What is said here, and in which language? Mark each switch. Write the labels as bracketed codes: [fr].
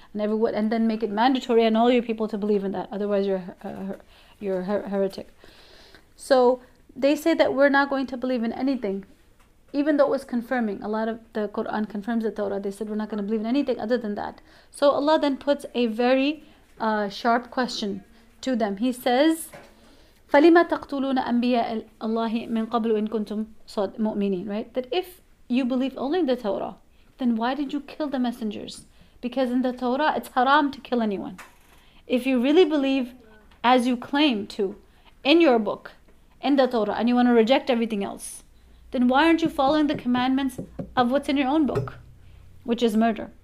[en] And then make it mandatory on all your people to believe in that. Otherwise, you're a heretic. So they say that we're not going to believe in anything, even though it was confirming. A lot of the Quran confirms the Torah. They said, we're not going to believe in anything other than that. So Allah then puts a very sharp question to them. He says, [ar] فَلِمَا تَقْتُلُونَ أَنْبِيَاءَ اللَّهِ مِنْ قَبْلُ إِنْ كُنْتُمْ مُؤْمِنِينَ, [en] right? That if you believe only in the Torah, then why did you kill the messengers? Because in the Torah, it's haram to kill anyone. If you really believe, as you claim to, in your book, in the Torah, and you want to reject everything else, then why aren't you following the commandments of what's in your own book, which is murder?